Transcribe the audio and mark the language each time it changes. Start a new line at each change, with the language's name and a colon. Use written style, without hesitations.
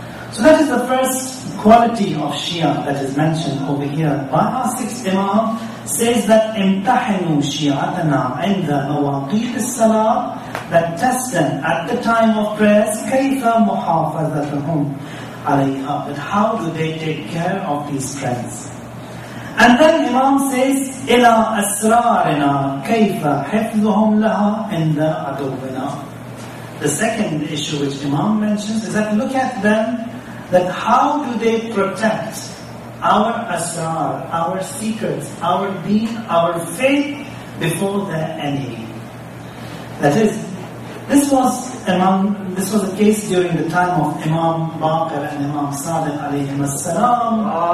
English: So that is the first quality of Shia that is mentioned over here. Baha 6th Imam says that
Arabic: امتحنوا شيعتنا عند مواقيت الصلاة,
English: that test them at the time of prayers,
Arabic: كيف محافظتهم عليها,
English: but how do they take care of these prayers? And then Imam says,
Arabic: إلى أسرارنا كيف حفظهم لها عند عدونا.
English: The second issue which Imam mentions is that look at them, that how do they protect our asrar, our secrets, our deen, our faith before their enemy. That is, this was the case during the time of Imam Baqir and Imam Sadiq alayhi wassalam.